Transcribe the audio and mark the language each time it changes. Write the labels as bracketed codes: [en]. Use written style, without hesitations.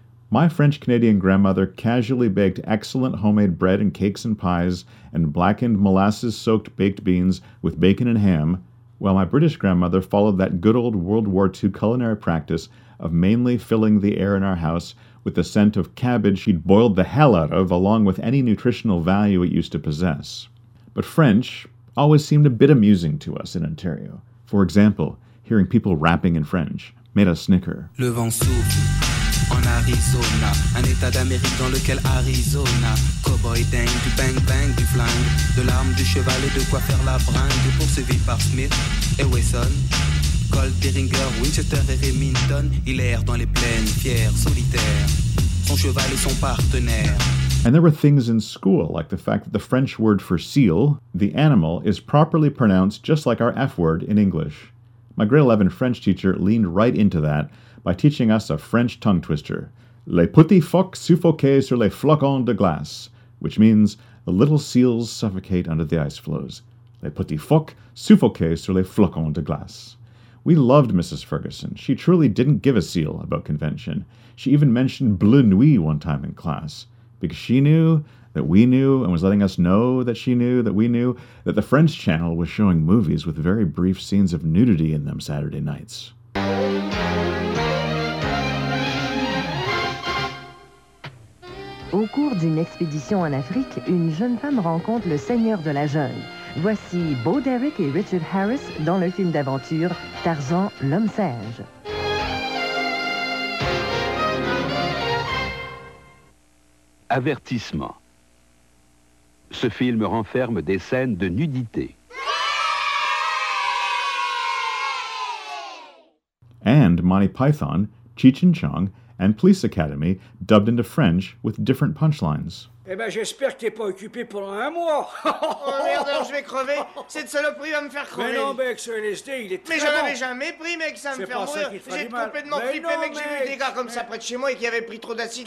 [en] My French-Canadian grandmother casually baked excellent homemade bread and cakes and pies and blackened molasses-soaked baked beans with bacon and ham, while my British grandmother followed that good old World War II culinary practice of mainly filling the air in our house with the scent of cabbage she'd boiled the hell out of along with any nutritional value it used to possess. But French always seemed a bit amusing to us in Ontario. For example, hearing people rapping in French made us snicker. [fr] Le vent souffle en Arizona, un état d'Amérique dans lequel Arizona. Cowboy dingue, du bang bang, du flingue, de l'arme, du cheval et de quoi faire la bringue. Poursuivi par Smith et Wesson, Colt, Deringer, Winchester et Remington. Il erre dans les plaines, fier, solitaire, son cheval et son partenaire. [en] And there were things in school, like the fact that the French word for seal, the animal, is properly pronounced just like our F word in English. My grade 11 French teacher leaned right into that by teaching us a French tongue twister, [fr] les petits phoques suffoquent sur les flocons de glace, [en] which means the little seals suffocate under the ice floes. [fr] Les petits phoques suffoquent sur les flocons de glace. [en] We loved Mrs. Ferguson. She truly didn't give a seal about convention. She even mentioned Bleu Nuit one time in class, because she knew that we knew and was letting us know that she knew that we knew that the French channel was showing movies with very brief scenes of nudity in them Saturday nights. [fr] Au cours d'une expédition en Afrique, une jeune femme rencontre le seigneur de la jungle. Voici Bo Derek et Richard Harris dans le film d'aventure Tarzan, l'homme sage. Avertissement. Ce film renferme des scènes de nudité. [en] And Monty Python, Cheech and Chong, and Police Academy dubbed into French with different punchlines. [fr] Eh ben, j'espère que t'es pas occupé pendant un mois. Oh merde, alors je vais crever. Cette saloperie va me faire crever. Mais non, mec, ce LSD, il est très mais bon. Mais j'en avais jamais pris, mec, ça me fait mourir. J'ai complètement flippé, mec, j'ai vu des gars comme ça près de chez moi et qui avaient pris trop d'acide.